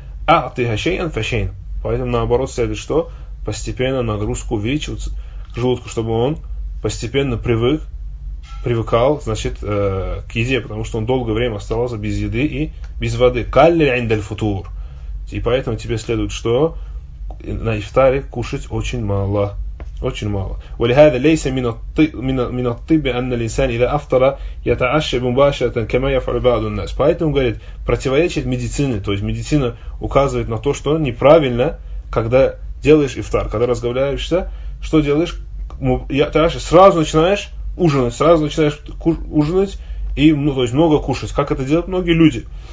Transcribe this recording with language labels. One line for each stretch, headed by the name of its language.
Russian: А ты хашейн, фашейн. Поэтому наоборот следует, что постепенно нагрузку увеличивается к желудку, чтобы он постепенно привыкал, значит, к еде, потому что он долгое время оставался без еды и без воды.
Arabic: Калли индель футур.
Russian: И поэтому тебе следует, что на ифтаре кушать очень мало. Очень мало.
Arabic: ولهذا ليس من الطب أن الإنسان إذا أفطر يتعشب مباشرة كما يفعل بعض الناس.
Russian: Поэтому говорит, противоречит медицине, то есть медицина указывает на то, что неправильно, когда делаешь ифтар, когда разговариваешься, что делаешь? Сразу начинаешь ужинать, и, ну, то есть много кушать. Как это делают многие люди?